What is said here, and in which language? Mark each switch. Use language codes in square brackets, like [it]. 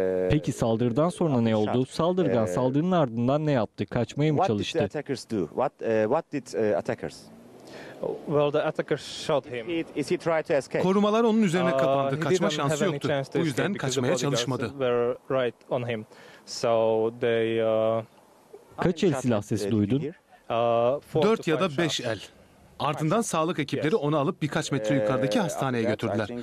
[tr] Peki saldırıdan sonra ne oldu? Saldırgan saldırının ardından ne yaptı? Kaçmaya mı çalıştı? [en] What did the attackers do? What did attackers? Well, the attacker shot him. Is he trying to escape? [tr] Korumalar onun üzerine kapandı. Kaçma şansı yoktu. Bu yüzden kaçmaya çalışmadı. [en] Right on him. So they [tr] kaç el silah sesi duydun? 4 ya da 5 el. Ardından sağlık ekipleri onu alıp birkaç metre yukarıdaki hastaneye götürdüler.